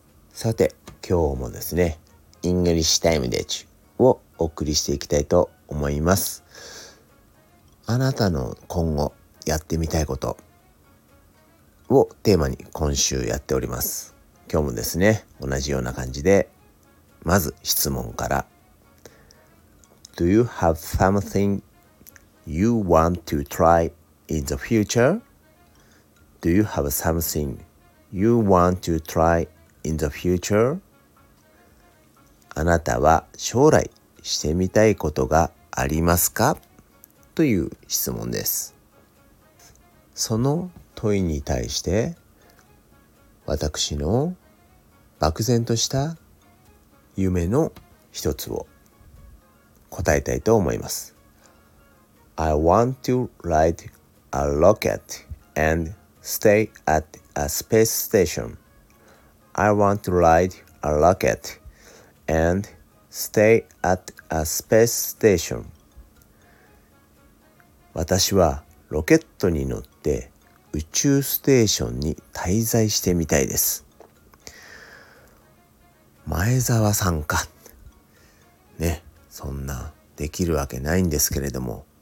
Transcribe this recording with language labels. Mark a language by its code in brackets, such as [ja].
[ja] さて今日もですね、イングリッシュタイムデッチをお送りしていきたいと思います。あなたの今後やってみたいことをテーマに今週やっております。今日もですね、同じような感じでまず質問から。 [en] Do you have something you want to try in the future? Do you have something you want to try in the future? [ja] あなたは将来してみたいことがありますか? という質問です。その問いに対して私の漠然とした夢の一つを答えたいと思います。 [en] I want to ride a rocket and stay at a space station. I want to ride a rocket and stay at a space station. [ja] 私はロケットに乗って宇宙ステーションに滞在してみたいです。前澤さんか。ね、そんなできるわけないんですけれども。